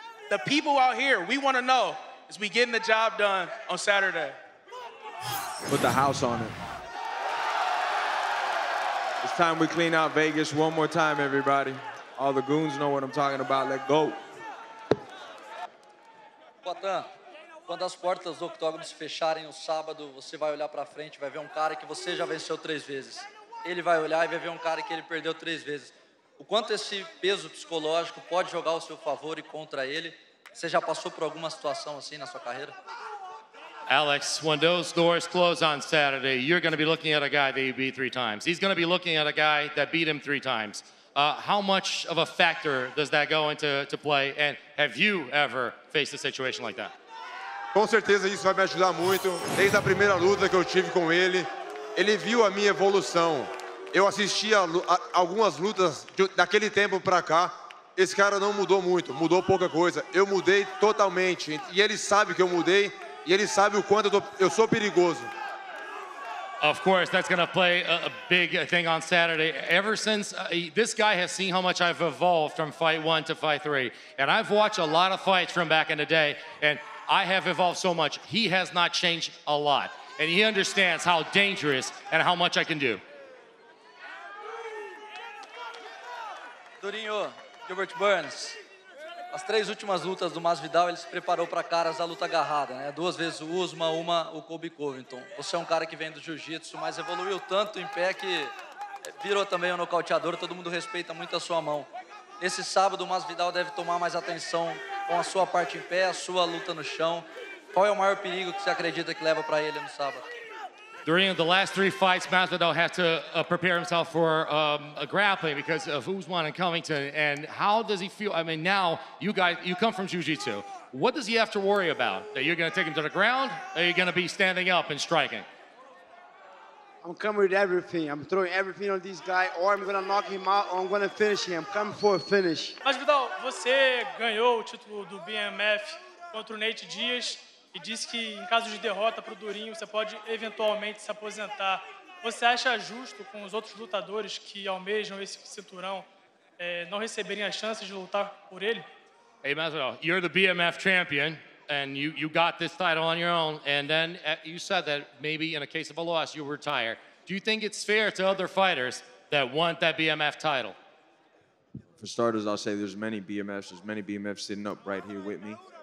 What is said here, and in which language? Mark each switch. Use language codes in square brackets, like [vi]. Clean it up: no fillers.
[en] The people out here, we want to know, is we getting the job done on Saturday? Put the house on it. It's time we clean out Vegas one more time, everybody. All the goons know what I'm talking about. Let go. [pt] Patan, quando as portas do octógono se fecharem no sábado, você vai olhar pra frente, vai ver um cara que você já venceu 3 vezes. Ele vai olhar e vai ver um cara que ele perdeu 3 vezes. O quanto esse peso psicológico pode jogar ao seu favor e contra ele? Você já passou por alguma situação assim na sua carreira? [en] Alex, when those doors close on Saturday, you're going to be looking at a guy that you beat 3 times. He's going to be looking at a guy that beat him 3 times. How much of a factor does that go into play? And have you ever faced a situation like that? [pt] Com certeza isso vai me ajudar muito. Desde a primeira luta que eu tive com ele, ele viu a minha evolução. Eu assisti algumas lutas daquele tempo pra cá. Esse cara não mudou muito, mudou pouca coisa. Eu mudei totalmente. E ele sabe que eu mudei. E ele sabe o quanto eu sou perigoso. [en] Of course, that's going to play a big thing on Saturday. Ever since, this guy has seen how much I've evolved from fight 1 to fight 3. And I've watched a lot of fights from back in the day. And I have evolved so much. He has not changed a lot. And he understands how dangerous and how much I can do. [pt] Durinho, Gilbert Burns. As 3 últimas lutas do Masvidal, ele se preparou para caras da luta agarrada, né? 2 vezes o Usman, 1 o Colby Covington. Você é um cara que vem do jiu-jitsu, mas evoluiu tanto em pé que virou também um nocauteador, todo mundo respeita muito a sua mão. Nesse sábado, o Masvidal deve tomar mais atenção com a sua parte em pé, a sua luta no chão. Qual é o maior perigo que você acredita que leva para ele no sábado? [en] During the last 3 fights, Masvidal has to prepare himself for a grappling because of Usman and Covington. And how does he feel? I mean, now you guys, you come from jiu-jitsu. What does he have to worry about? That you're going to take him to the ground? Or are you going to be standing up and striking? I'm coming with everything. I'm throwing everything on this guy, or I'm going to knock him out, or I'm going to finish him. I'm coming for a finish. [pt] Masvidal, você ganhou o título do BMF contra o Nate Diaz. E disse que em caso de derrota para o Durinho, você pode eventualmente se aposentar. Você acha justo com os outros lutadores que almejam esse cinturão não receberem a chance de lutar por ele? [en] Hey, Masvidal, you're the BMF champion, and you got this title on your own, and then you said that maybe in a case of a loss, you'll retire. Do you think it's fair to other fighters that want that BMF title? For starters, I'll say there's many BMFs. There's many BMFs sitting up right here with me.